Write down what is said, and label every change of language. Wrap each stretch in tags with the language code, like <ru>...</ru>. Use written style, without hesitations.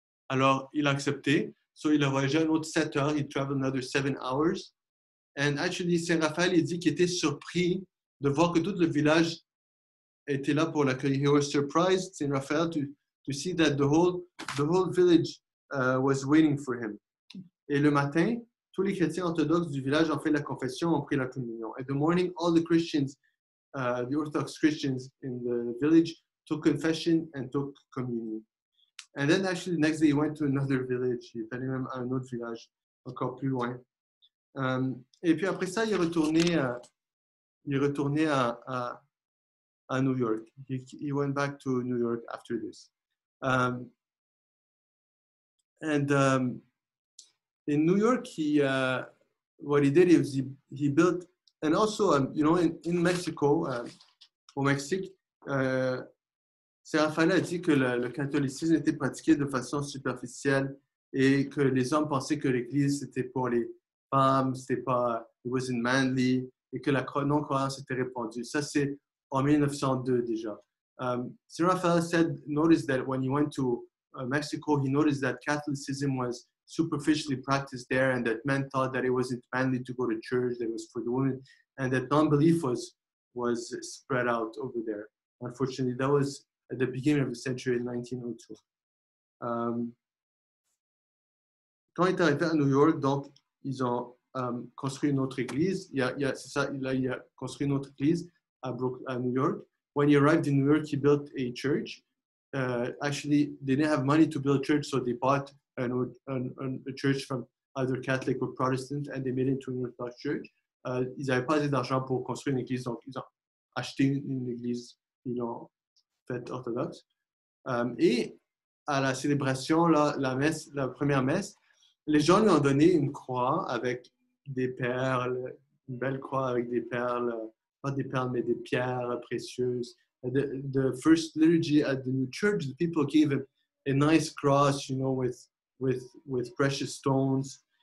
<fr>Alors, il a accepté. So, il a voyagé un autre 7 heures.</fr> <en>He traveled another 7 hours. And actually,</en> <fr>Saint Raphaël, il dit qu'il était surpris de voir que tout le village était là pour l'accueillir.</fr> <en>He was surprised, Saint Raphaël, to to see that the whole village was waiting for him.</en> <fr>Et le matin, tous les chrétiens orthodoxes du village ont fait la confession, ont pris la communion.</fr> <en>In the morning, all the Christians, the Orthodox Christians in the village, took confession and took communion. And then actually, the next day, he went to another village.</en> <fr>Il est allé même à un autre village, encore plus loin. Et puis après ça, il est retourné à New York.</fr> <en>He went back to New York after this. In New York, he built, and also, you know, in Mexico,</en> <fr>au Mexique, Saint Raphaël a dit que le catholicisme était pratiqué de façon superficielle et que les hommes pensaient que l'Église c'était pour les femmes, c'était pas,</fr> <en>it wasn't manly,</en> <fr>et que la non-croyance était répandue. Ça, c'est en 1902 déjà.</fr> <en>Saint Raphaël noticed that when he went to Mexico, he noticed that Catholicism was superficially practiced there, and that men thought that it wasn't manly to go to church, that it was for the women, and that non-belief was spread out over there. Unfortunately, that was at the beginning of the century in 1902.</en> <fr>Quand il est arrivé à New York, donc, ils ont construit une autre église. À New York.</fr> <en>When he arrived in New York, he built a church. Actually, they didn't have money to build a church, so they bought a church from either Catholic or Protestant, and they made it into an Orthodox church.</en> <fr>Ils n'avaient pas assez d'argent pour construire une église, donc ils ont acheté une église, ils l'ont faite orthodoxe. Et à la célébration, la première messe, les gens lui ont donné une croix avec des perles, une belle croix avec des perles, pas des perles, mais des pierres précieuses.</fr> <en>The first liturgy at the new church, the people gave him a nice cross, you know, with precious stones.</en>